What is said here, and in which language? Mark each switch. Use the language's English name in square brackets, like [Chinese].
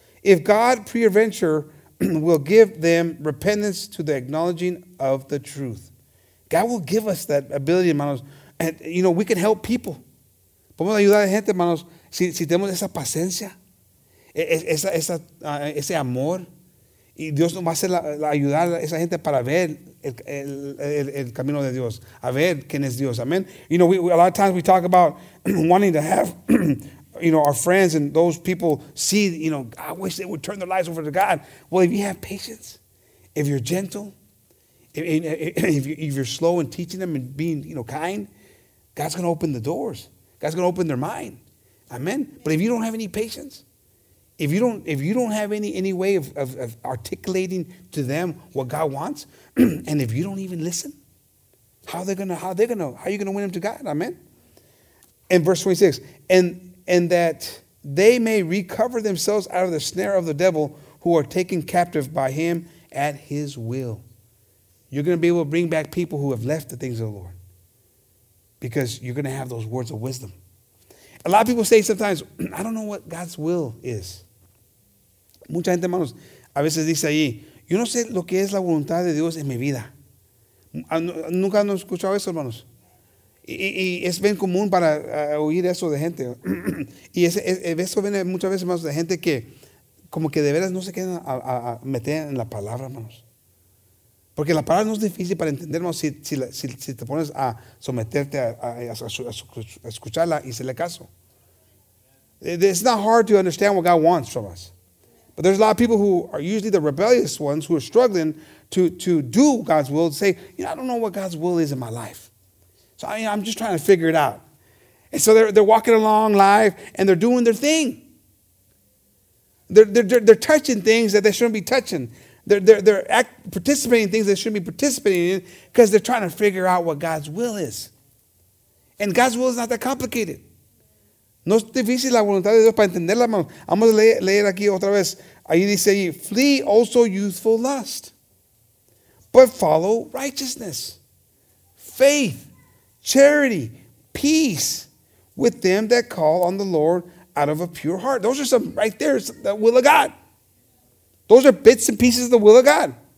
[English] If God peradventure will give them repentance to the acknowledging of the truth. God will give us that ability, hermanos. And, you know, we can help people. [Spanish] Podemos ayudar a gente, hermanos, si tenemos esa paciencia, ese amor. Y Dios nos va a hacer ayudar a esa gente para ver el camino de Dios. A ver quién es Dios. Amen. [English] You know, a lot of times we talk about wanting to have, you know, our friends and those people see, you know, I wish they would turn their lives over to God. Well, if you have patience, if you're gentle, if you're slow in teaching them and being, you know, kind, God's going to open the doors. God's going to open their mind. Amen. But if you don't have any patience, if you don't have any way of articulating to them what God wants, and if you don't even listen, how are you going to win them to God? Amen. And verse 26, and that they may recover themselves out of the snare of the devil who are taken captive by him at his will. You're going to be able to bring back people who have left the things of the Lord because you're going to have those words of wisdom. A lot of people say sometimes, I don't know what God's will is. [Spanish] Mucha gente, hermanos, a veces dice ahí, yo no sé lo que es la voluntad de Dios en mi vida. Nunca han escuchado eso, hermanos. Y es bien común para oír eso de gente. Y eso viene muchas veces, hermanos, de gente que como que de veras no se quieren a meter en la palabra, hermanos. Porque la palabra no es difícil para entender, hermanos, si te pones a someterte a escucharla y hacerle caso. [English] It's not hard to understand what God wants from us. But there's a lot of people who are usually the rebellious ones who are struggling to do God's will, to say, you know, I don't know what God's will is in my life. So I'm just trying to figure it out. And so they're walking along life and they're doing their thing. They're touching things that they shouldn't be touching. They're participating in things they shouldn't be participating in because they're trying to figure out what God's will is. And God's will is not that complicated. [Spanish] No es difícil la voluntad de Dios para entenderla, hermano. Vamos a leer aquí otra vez. Ahí dice, [English] flee also youthful lust, but follow righteousness, faith, charity, peace with them that call on the Lord out of a pure heart. Those are some right there, the will of God. Those are bits and pieces of the will of God.